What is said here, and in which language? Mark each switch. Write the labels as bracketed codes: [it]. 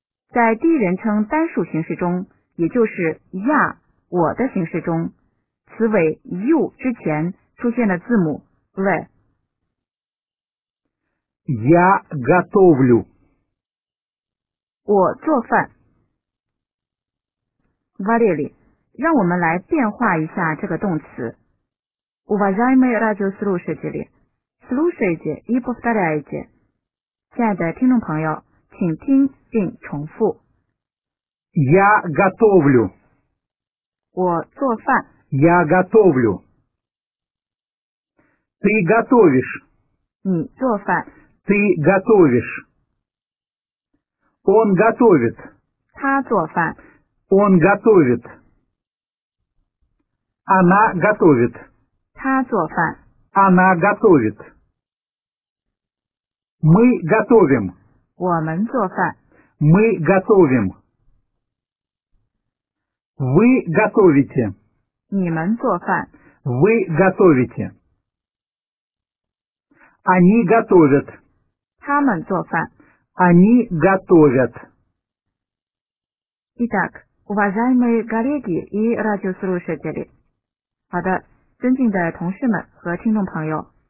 [zh] 在第一人称单数形式中, 也就是я, 我的形式中, 词尾 you 之前出现了字母 le. [ru] Я готовлю. [zh] 我做饭. Валерий, 让我们来变化一下这个动词. [ru] Уважаемые радиослушатели, слушайте и повторяйте. [zh] 亲爱的听众朋友, 请听并重复. [ru] Я готовлю. [zh] 我做饭. [ru] Я готовлю. Ты готовишь. [zh] 你做饭. [ru] Ты готовишь. Он готовит. [zh] 他做饭. [ru] Он готовит. Она готовит. [zh] 他做饭. [ru] Она готовит. Мы готовим. [zh] 我们做饭. [ru] Мы готовим. Вы готовите. [zh] 你们做饭. [ru] Вы готовите. Они готовят. [zh] 他们做饭. [ru] Они готовят. Итак, уважаемые коллеги и радиослушатели. [zh] 好的, 尊敬的同事们和听众朋友.